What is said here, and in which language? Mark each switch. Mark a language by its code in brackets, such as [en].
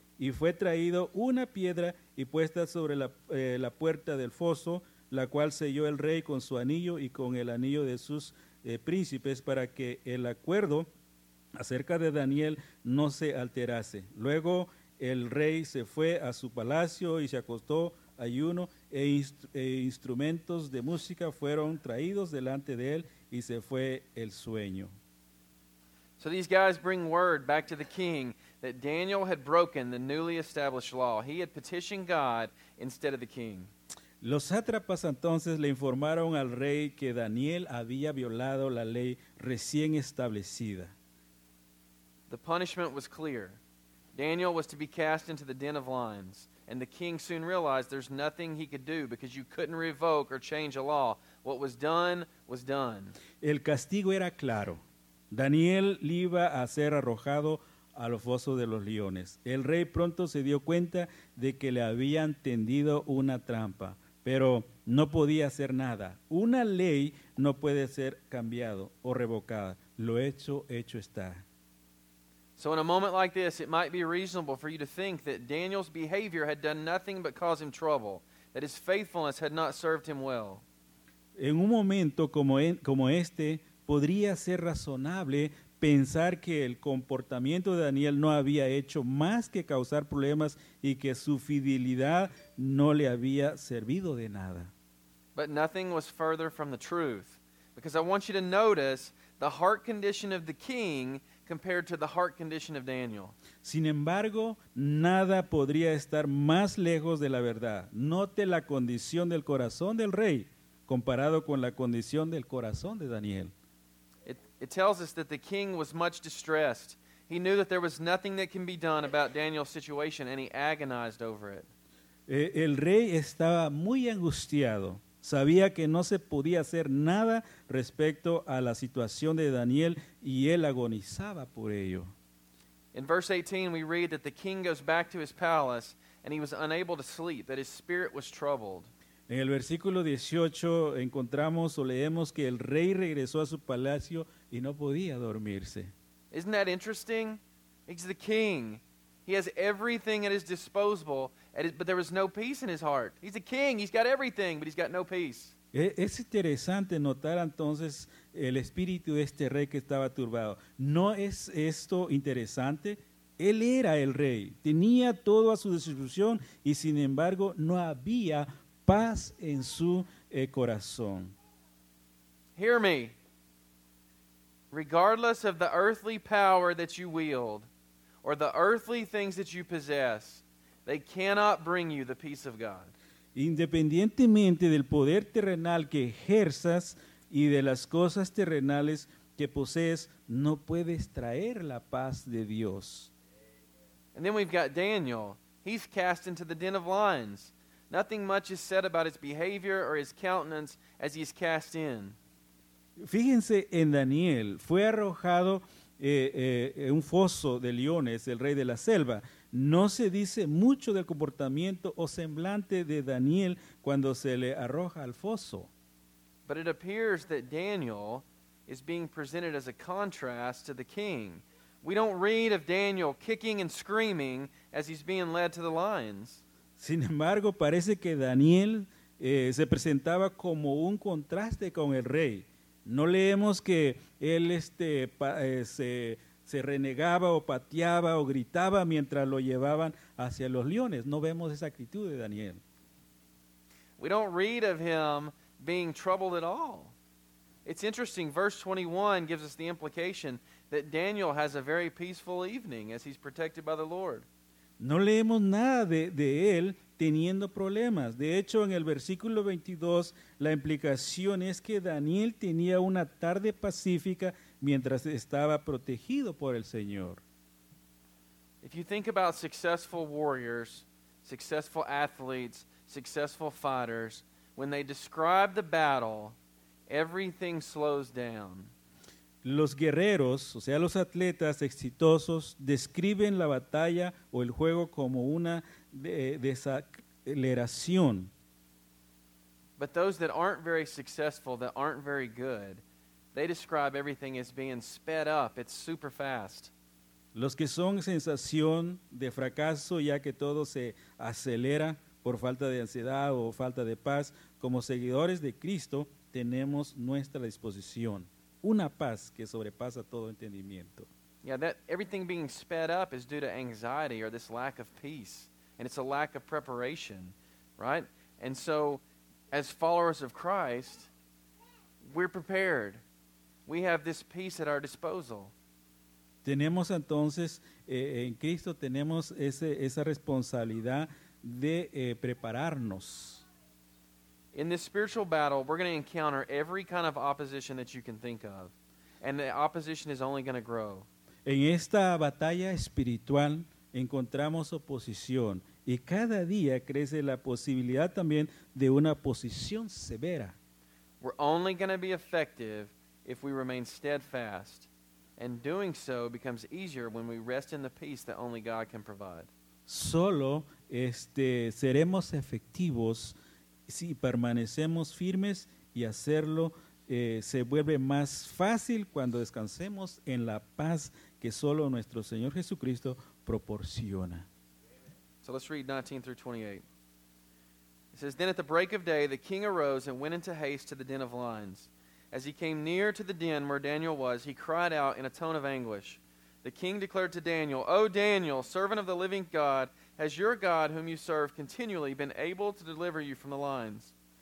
[es] Y fue traído una piedra y puesta sobre la puerta del foso, la cual selló el rey con su anillo y con el anillo de sus príncipes, para que el acuerdo acerca de Daniel no se alterase. Luego el rey se fue a su palacio y se acostó ayuno, e instrumentos de música fueron traídos delante de él, y se fue el sueño. [en] So these guys bring word back to the king that Daniel had broken the newly established law. He had petitioned God instead of the king. [es] Los sátrapas entonces le informaron al rey que Daniel había violado la ley recién establecida. [en] The punishment was clear. Daniel was to be cast into the den of lions, and the king soon realized there's nothing he could do because you couldn't revoke or change a law. What was done was done. [es] El castigo era claro. Daniel iba a ser arrojado al foso de los leones. El rey pronto se dio cuenta de que le habían tendido una trampa, pero no podía hacer nada. Una ley no puede ser cambiada o revocada. Lo hecho, hecho está. [en] So in a moment like this, it might be reasonable for you to think that Daniel's behavior had done nothing but cause him trouble, that his faithfulness had not served him well. [es] En un momento como este, podría ser razonable pensar que el comportamiento de Daniel no había hecho más que causar problemas y que su fidelidad no le había servido de nada. [en] But nothing was further from the truth, because I want you to notice the heart condition of the king compared to the heart condition of Daniel. [es] Sin embargo, nada podría estar más lejos de la verdad. Note la condición del corazón del rey comparado con la condición del corazón de Daniel. [en] It tells us that the king was much distressed. He knew that there was nothing that can be done about Daniel's situation, and he agonized over it. [es] El rey estaba muy angustiado. Sabía que no se podía hacer nada respecto a la situación de Daniel, y él agonizaba por ello. [en] In verse 18, we read that the king goes back to his palace, and he was unable to sleep, that his spirit was troubled. [es] En el versículo 18 encontramos o leemos que el rey regresó a su palacio y no podía dormirse. [en] Isn't that interesting? He's the king. He has everything at his disposal, but there was no peace in his heart. He's the king. He's got everything, but he's got no peace. [es] Es interesante notar entonces el espíritu de este rey que estaba turbado. ¿No es esto interesante? Él era el rey. Tenía todo a su disposición y sin embargo no había paz en su corazón. [en] Hear me. Regardless of the earthly power that you wield or the earthly things that you possess, they cannot bring you the peace of God. [es] Independientemente del poder terrenal que ejerzas y de las cosas terrenales que posees, no puedes traer la paz de Dios. [en] And then we've got Daniel. He's cast into the den of lions. Nothing much is said about his behavior or his countenance as he is cast in. [es] Fíjense en Daniel. Fue arrojado en un foso de leones, el rey de la selva. No se dice mucho del comportamiento o semblante de Daniel cuando se le arroja al foso. [en] But it appears that Daniel is being presented as a contrast to the king. We don't read of Daniel kicking and screaming as he's being led to the lions. [es] Sin embargo, parece que Daniel se presentaba como un contraste con el rey. No leemos que él se renegaba o pateaba o gritaba mientras lo llevaban hacia los leones. No vemos esa actitud de Daniel. [en] We don't read of him being troubled at all. It's interesting, verse 21 gives us the implication that Daniel has a very peaceful evening as he's protected by the Lord. [es] No leemos nada de él teniendo problemas. De hecho, en el versículo 22, la implicación es que Daniel tenía una tarde pacífica mientras estaba protegido por el Señor. [en] If you think about successful warriors, successful athletes, successful fighters, when they describe the battle, everything slows down. [es] Los guerreros, o sea, los atletas exitosos, describen la batalla o el juego como una desaceleración. [en] But those that aren't very successful, that aren't very good, they describe everything as being sped up. It's super fast. [es] Los que son sensación de fracaso, ya que todo se acelera por falta de ansiedad o falta de paz, como seguidores de Cristo, tenemos nuestra disposición. Una paz que sobrepasa todo entendimiento. [en] Yeah, that everything being sped up is due to anxiety or this lack of peace. And it's a lack of preparation, right? And so, as followers of Christ, we're prepared. We have this peace at our disposal. [es] Tenemos entonces, en Cristo tenemos esa responsabilidad de prepararnos. [en] In this spiritual battle, we're going to encounter every kind of opposition that you can think of. And the opposition is only going to grow. [es] En esta batalla espiritual, encontramos oposición. Y cada día crece la posibilidad también de una oposición severa. [en] We're only going to be effective if we remain steadfast. And doing so becomes easier when we rest in the peace that only God can provide. [es] Solo seremos efectivos si permanecemos firmes y hacerlo se vuelve más fácil cuando descansemos en la paz que solo nuestro Señor Jesucristo proporciona. [en] So let's read 19 through 28. It says, "Then at the break of day, the king arose and went into haste to the den of lions. As he came near to the den where Daniel was, he cried out in a tone of anguish. The king declared to Daniel, 'O Daniel, servant of the living God, has your God, whom you serve continually, been able to deliver you from the lions?'